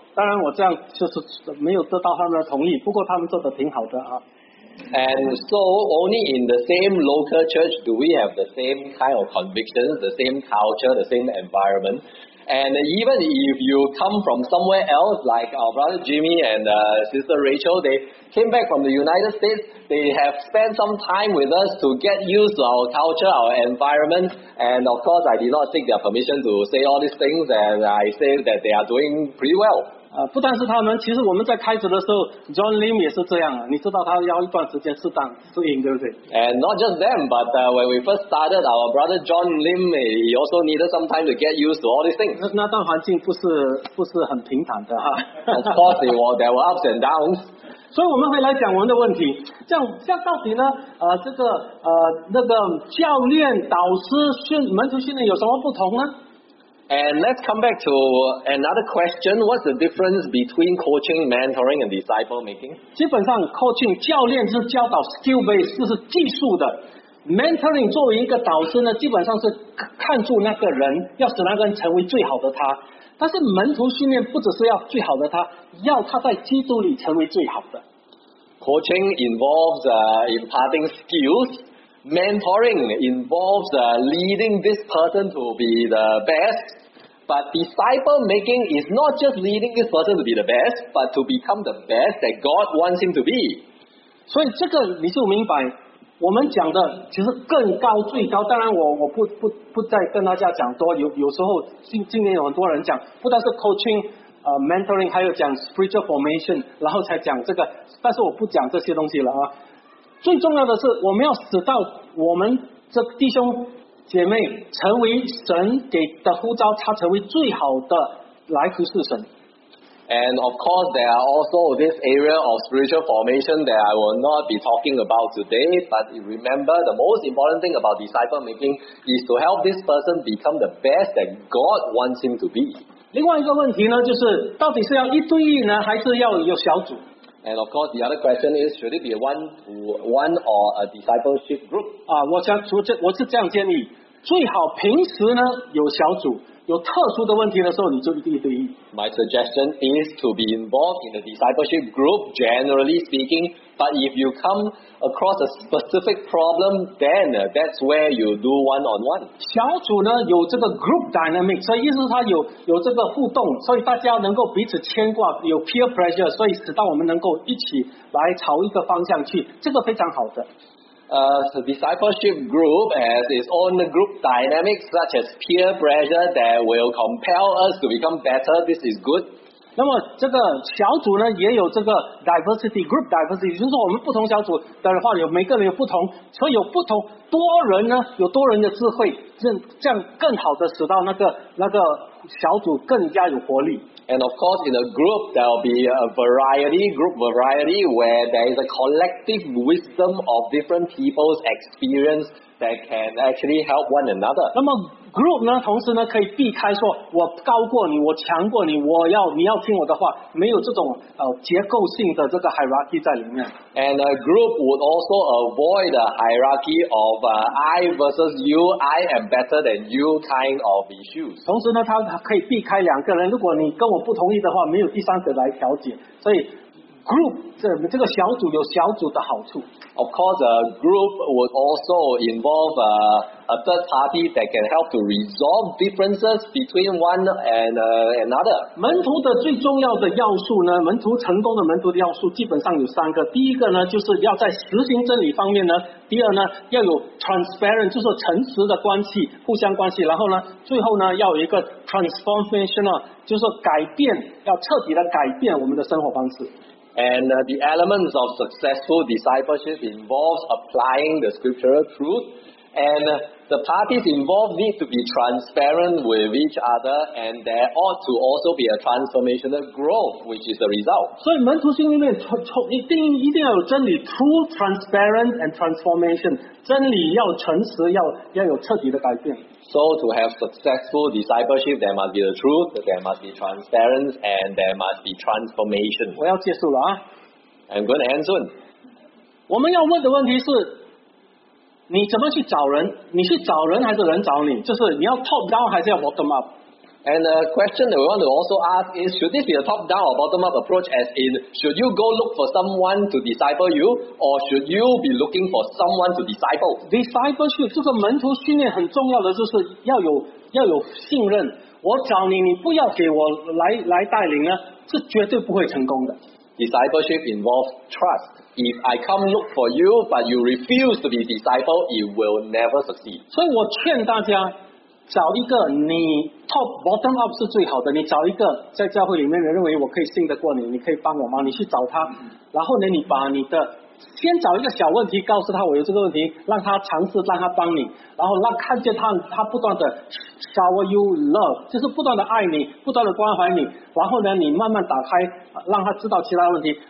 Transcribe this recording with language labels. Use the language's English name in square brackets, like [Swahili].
[Chinese] 当然我这样就是没有得到他们的同意，不过他们做得挺好的啊。 [English] And so only in the same local church do we have the same kind of convictions, the same culture, the same environment. And even if you come from somewhere else, like our brother Jimmy and sister Rachel, they came back from the United States, they have spent some time with us to get used to our culture, our environment, and of course I did not seek their permission to say all these things, and I say that they are doing pretty well. [Chinese] 不但是他们，其实我们在开始的时候 John Lim 也是这样，你知道他要一段时间适当适应，对不对？ [English] And not just them, but when we first started, our brother John Lim, he also needed some time to get used to all these things. [Chinese] 那段环境不是很平坦的啊。 [English] Of course, there were ups and downs. [Chinese] 所以我们会来讲我们的问题，像到底呢？这个那个教练、导师、门徒训练有什么不同呢 [English] ？And let's come back to another question. What's the difference between coaching, mentoring, and disciple making? [Chinese] 基本上 ，coaching 教练是教导 skill base， 就是技术的 ；mentoring 作为一个导师呢，基本上是看住那个人，要使那个人成为最好的他。但是门徒训练不只是要最好的他，要他在基督里成为最好的。 [English] Coaching involves imparting skills. Mentoring involves leading this person to be the best. But disciple making is not just leading this person to be the best, but to become the best that God wants him to be. [Chinese] 所以这个你就明白，我们讲的其实更高最高，当然我不再跟大家讲多，有时候今年有很多人讲，不但是 coaching、mentoring， 还有讲 spiritual formation， 然后才讲这个，但是我不讲这些东西了啊。最重要的是，我们要使到我们这弟兄姐妹成为神给的呼召，他成为最好的来服侍神。 [English] And of course, there are also this area of spiritual formation that I will not be talking about today. But remember, the most important thing about disciple making is to help this person become the best that God wants him to be. [Chinese] 另外一个问题呢，就是到底是要一对一呢，还是要有小组？ [English] And of course, the other question is, should it be one to one or a discipleship group? [Chinese] 我是这样建议，最好平时呢有小组。有特殊的问题的时候，你就一对一。 [English] My suggestion is to be involved in the discipleship group, generally speaking. But if you come across a specific problem, then that's where you do one-on-one. [Chinese] 小组呢有这个 group dynamic， 所以意思是它有这个互动，所以大家能够彼此牵挂，有 peer pressure， 所以使到我们能够一起来朝一个方向去，这个非常好的。 [English] The discipleship group has its own group dynamics such as peer pressure that will compel us to become better. This is good. [Chinese] 那么这个小组呢也有这个 diversity, group diversity, 就是说我们不同小组的话有每个人有不同，所以有不同多人呢有多人的智慧，这样更好的使到那个小组更加有活力。 [English] And of course, in a group, there will be a variety, group variety, where there is a collective wisdom of different people's experience that can actually help one another. [Chinese] 那么 group 呢，同时呢可以避开说我高过你，我强过你，你要听我的话，没有这种结构性的这个 hierarchy 在里面。 [English] And a group would also avoid the hierarchy of I versus you, I am better than you kind of issues. [Chinese] 同时呢，它可以避开两个人，如果你跟我不同意的话，没有第三者来调解，所以。 Group 这个小组有小组的好处。 [English] Of course, a group would also involve a third party that can help to resolve differences between one and another. [Chinese] 门徒的最重要的要素呢？门徒成功的门徒的要素基本上有三个。第一个呢，就是要在实行真理方面呢；第二呢，要有 transparent， 就是诚实的关系，互相关系。然后呢，最后呢，要有一个 transformational， 就是改变，要彻底的改变我们的生活方式。 [English] And the elements of successful discipleship involves applying the scriptural truth, and the parties involved need to be transparent with each other, and there ought to also be a transformational growth, which is the result. [Chinese] 所以门徒心里面一定要有真理 ， [English] truth, transparent, and transformation. [Chinese] 真理要诚实，要有彻底的改变。 [English] So to have successful discipleship, there must be the truth, there must be transparency, and there must be transformation. [Chinese] 我要结束了啊。 [English] I'm going to end soon. [Chinese] 我们要问的问题是，你怎么去找人？你是找人还是人找你？就是你要 top down 还是要 bottom up？ [English] And the question that we want to also ask is, should this be a top-down or bottom-up approach, as in, should you go look for someone to disciple you, or should you be looking for someone to disciple? [Chinese] Discipleship, 这个门徒训练很重要的就是要有信任。我找你，你不要给我来带领呢，是绝对不会成功的。 [English] Discipleship involves trust. If I come look for you, but you refuse to be disciple, it will never succeed. [Chinese] 所以我劝大家找一个你 top bottom up 是最好的，你找一个在教会里面的认为我可以信得过你，你可以帮我吗？你去找他，然后呢，你把你的先找一个小问题告诉他我有这个问题，让他尝试，让他帮你，然后让看见他不断的 [English] shower you love， [Chinese] 就是不断的爱你，不断的关怀你，然后呢，你慢慢打开，让他知道其他问题。